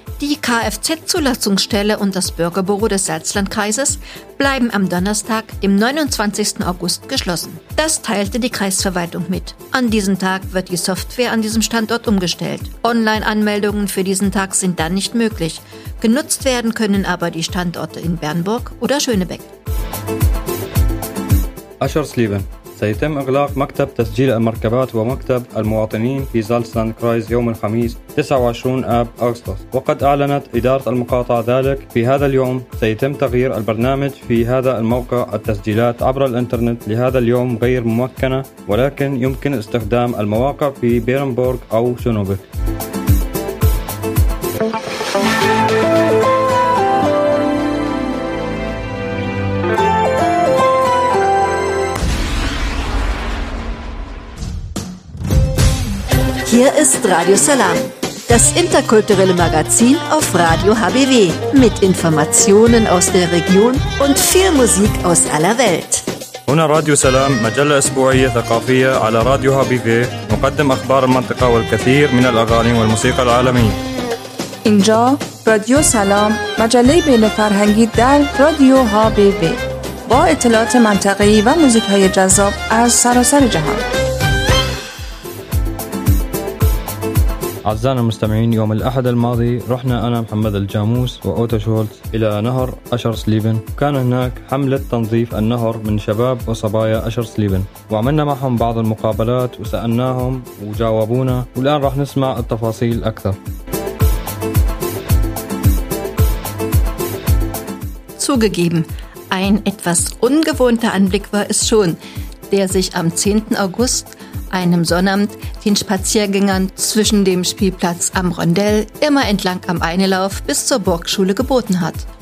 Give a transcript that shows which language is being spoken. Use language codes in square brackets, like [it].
[de] Die Kfz-Zulassungsstelle und das Bürgerbüro des Salzlandkreises bleiben am Donnerstag, dem 29. August, geschlossen. Das teilte die Kreisverwaltung mit. An diesem Tag wird die Software an diesem Standort umgestellt. Online-Anmeldungen für diesen Tag sind dann nicht möglich. Genutzt werden können aber die Standorte in Bernburg oder Schönebeck. Aschersleben. [ar] سيتم إغلاق مكتب تسجيل المركبات ومكتب المواطنين في زالسلاند كرايز يوم الخميس 29 آب أغسطس، وقد أعلنت إدارة المقاطعة ذلك. في هذا اليوم سيتم تغيير البرنامج في هذا الموقع التسجيلات عبر الإنترنت لهذا اليوم غير ممكنة، ولكن يمكن استخدام المواقع في بيرنبورغ أو شنوبك. [de] Hier ist Radio Salam, das interkulturelle Magazin auf Radio HBW mit Informationen aus der Region und viel Musik aus aller Welt. [ar] هنا راديو سلام، مجلة أسبوعية ثقافية على راديو HBW، نقدم أخبار المنطقة والكثير من الأغاني والموسيقى العالمية. [fa] إنجا راديو سلام، مجلة بين فرهنگی در راديو HBW، با اطلاعات منطقی و موسیقی جذاب از سراسر جهان. [ar] أعزائنا المستمعين، يوم الأحد الماضي رحنا أنا محمد الجاموس وأوتو شولتز إلى نهر أشرسليبن. كان هناك حملة تنظيف النهر من شباب وصبايا أشرسليبن، وعملنا معهم بعض المقابلات وسألناهم وجاوبونا، والآن رح نسمع التفاصيل أكثر. [de] Zugegeben, ein etwas ungewohnter Anblick war es schon, der sich am 10. August einem Sonnabend den Spaziergängern zwischen dem Spielplatz am Rondell immer entlang am Einelauf bis zur Burgschule geboten hat.